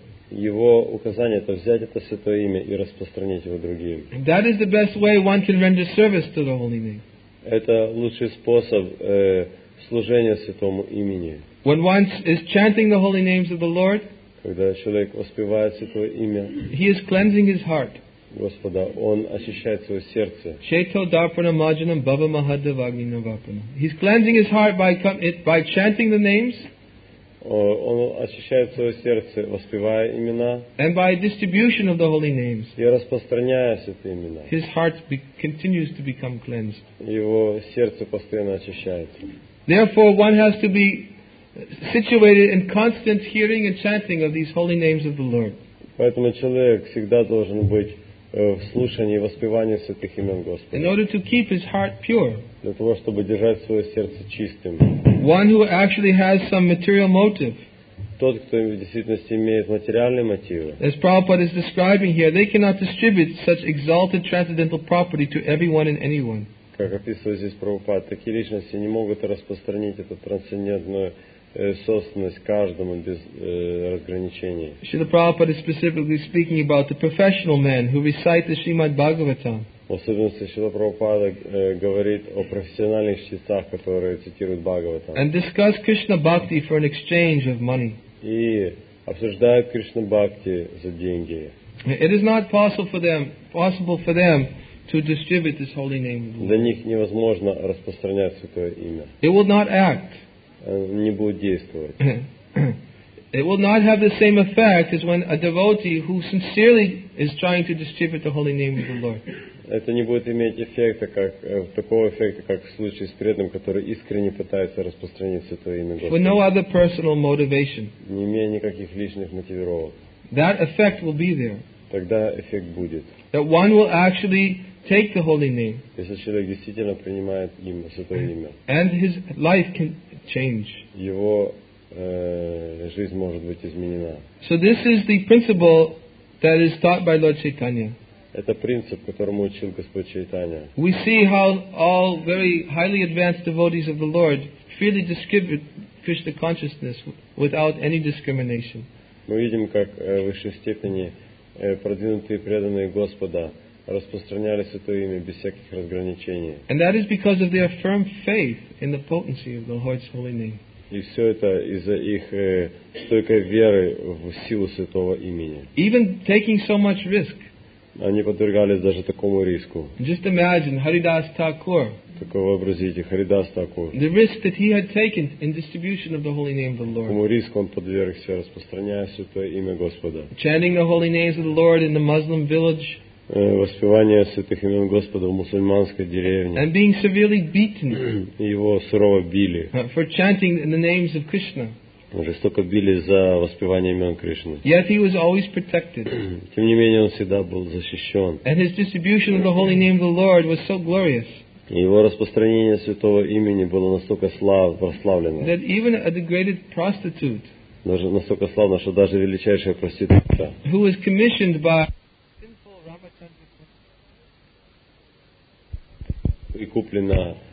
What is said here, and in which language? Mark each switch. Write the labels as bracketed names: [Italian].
[Russian] Его указание — это взять это святое имя и распространить его другим. [English] That is the best way one can render service to the holy name. [Russian] Это лучший способ служения святому имени. [English] When one is chanting the holy names of the Lord, [Russian] когда человек воспевает святое имя, [English] he is cleansing his heart. [Russian] Господа, он очищает свое сердце. [Sanskrit] Chaito dharpana majanam bhava mahadavagina vapana. [English] He's cleansing his heart by chanting the names. [Russian] Он очищает свое сердце, воспевая имена. [English] And by distribution of the holy names. [Russian] И распространяя святые имена. [English] His heart continues to become cleansed. [Russian] Его сердце постоянно очищается. [English] Therefore, one has to be situated in constant hearing and chanting of these holy names of the Lord. [Russian] Поэтому человек всегда должен быть в слушании и воспевании святых имен Господа. [English] In order to keep his heart pure. [Russian] Для того, чтобы держать свое сердце чистым. [English] One who actually has some material motive. [Russian] Тот, кто в действительности имеет материальные мотивы. [English] As Prabhupada is describing here, they cannot distribute such exalted transcendental property to everyone and anyone. [Russian] Как описывает здесь Прабхупад, такие личности не могут распространить эту трансцендентную собственность каждому без разграничений. [English] Srila Prabhupada is specifically speaking about the professional men who recite the Srimad Bhagavatam. [Russian] В особенности Srila Prabhupada говорит о профессиональных чтецах, которые цитируют Бхагаватам. [English] And discuss Krishna Bhakti for an exchange of money. [Russian] И обсуждают Кришна Бхакти за деньги. [English] It is not possible for them to distribute this holy name of the Lord. [Russian] Для них невозможно распространять святое имя. [English] It will not act. [Russian] Не будет действовать. [English] It will not have the same effect as when a devotee who sincerely is trying to distribute the holy name of the Lord. [Russian] Это не будет иметь эффекта, как такого эффекта, как в случае с преданным, который искренне пытается распространить святое имя Господа. [English] For no other personal motivation. [Russian] Не имея никаких личных мотивировок. [English] That effect will be there. [Russian] Тогда эффект будет. [English] That one will actually take the holy name. [Russian] Если человек действительно принимает имя, святое имя. [English] And his life can change. [Russian] Его жизнь может быть изменена. [English] So this is the principle that is taught by Lord Chaitanya. [Russian] Это принцип, которому учил Господь Чайтанья. [English] We see how all very highly advanced devotees of the Lord freely distribute Krishna consciousness without any discrimination. [Russian] Мы видим, как в высшей степени продвинутые преданные Господа распространяли святое имя без всяких разграничений. [English] And that is because of their firm faith in the potency of the Lord's holy name. [Russian] И все это из-за их стойкой веры в силу святого имени. [English] Even taking so much risk. [Russian] они подвергались даже такому риску. [English] Just imagine Haridas Thakur. [Russian] Такого образите Haridas Thakur. [English] The risk that he had taken in distribution of the holy name of the Lord. [Russian] Какому риску он подвергся, распространяя святое имя Господа? [English] Chanting the holy names of the Lord in the Muslim village. [Russian] Воспевание святых имен Господа в мусульманской деревне. [English] And being severely beaten. [Russian] Его сурово били. [English] For chanting the names of Krishna. [Russian] Жестоко били за воспевание имен Кришны. [English] Yet he was always protected. [Russian] Тем не менее, он всегда был защищен. [English] And his distribution of the holy name of the Lord was so glorious. [Russian] Его распространение святого имени было настолько прославлено. [English] That even a degraded prostitute. [Russian] Даже настолько славно, что даже величайшая проститутка. [English] Who was commissioned by sinful Ramachandra. [Russian] Прикуплена.